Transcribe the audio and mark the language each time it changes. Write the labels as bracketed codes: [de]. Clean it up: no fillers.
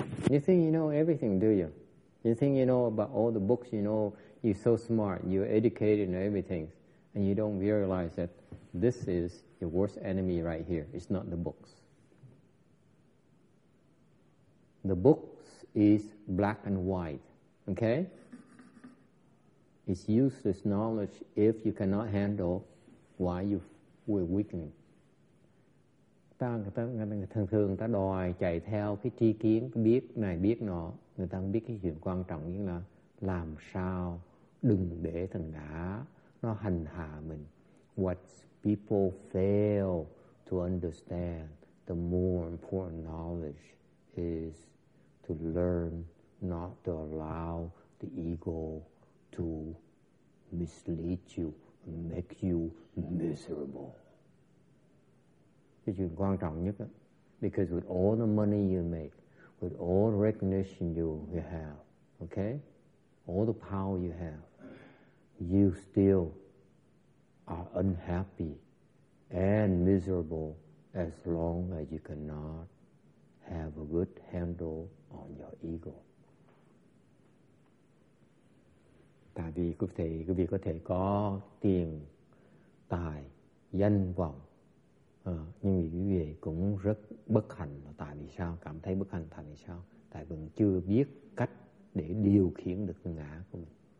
[en] You think you know everything, do you? You think you know about all the books, you know, you're so smart, you're educated and everything, and you don't realize that this is your worst enemy right here. It's not the books. The books is black and white, okay? It's useless knowledge if you cannot handle why you were weakening. [vi] Thường thường ta đòi chạy theo cái tri kiến, biết này biết nọ, người ta không biết cái chuyện quan trọng như là làm sao đừng để thằng đá nó hành hạ mình. [en] What people fail to understand, the more important knowledge is to learn not to allow the ego to mislead you, make you miserable. [vi] Cái chuyện quan trọng nhất đó. [en] Because with all the money you make, with all the recognition you have, okay, all the power you have, you still are unhappy and miserable as long as you cannot have a good handle on your ego. [vi] Tại vì quý vị có thể có tiền tài danh vọng. Nhưng vì quý vị cũng rất bất hạnh. Tại vì sao? Cảm thấy bất hạnh tại vì sao? Tại vì chưa biết cách để điều khiển được tầng ngã của mình.